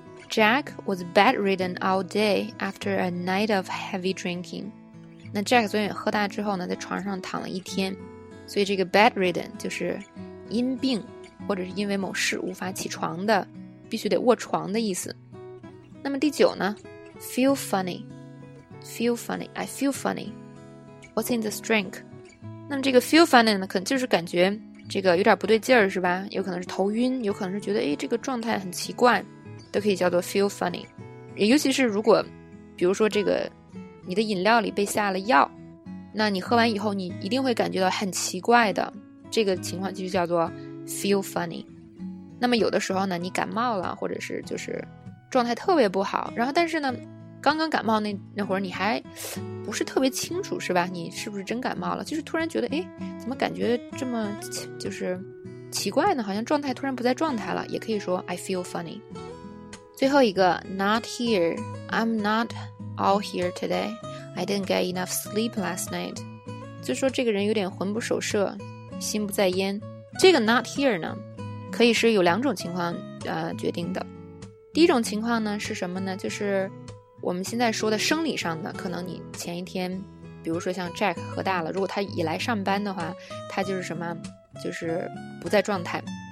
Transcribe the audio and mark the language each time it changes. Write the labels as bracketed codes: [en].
[en] Jack was bedridden all day after a night of heavy drinking。 [zh] 那 Jack 昨天喝大之后呢，在床上躺了一天，所以这个 bedridden 就是因病或者是因为某事无法起床的，必须得卧床的意思。 [en] 那么第九呢， feel funny， I feel funny， what's in this drink？ [zh] 那么这个 feel funny 呢，可能就是感觉这个有点不对劲儿，是吧？有可能是头晕，有可能是觉得哎，这个状态很奇怪，都可以叫做 feel funny。也尤其是如果，比如说这个你的饮料里被下了药，那你喝完以后，你一定会感觉到很奇怪的，这个情况就叫做 feel funny。那么有的时候呢，你感冒了，或者是就是状态特别不好，然后但是呢，刚刚感冒那会儿你还不是特别清楚，是吧？你是不是真感冒了？就是突然觉得，哎，怎么感觉这么就是奇怪呢？好像状态突然不在状态了，也可以说 I feel funny。 [en] 最后一个 not here, I'm not all here today, I didn't get enough sleep last night，就说这个人有点魂不守舍，心不在焉。 [zh] 这个 not here 呢，可以是有两种情况决定的。第一种情况呢是什么呢？就是我们现在说的生理上的，可能你前一天比如说像 Jack 喝大了，如果他一来上班的话，他就是什么，就是不在状态。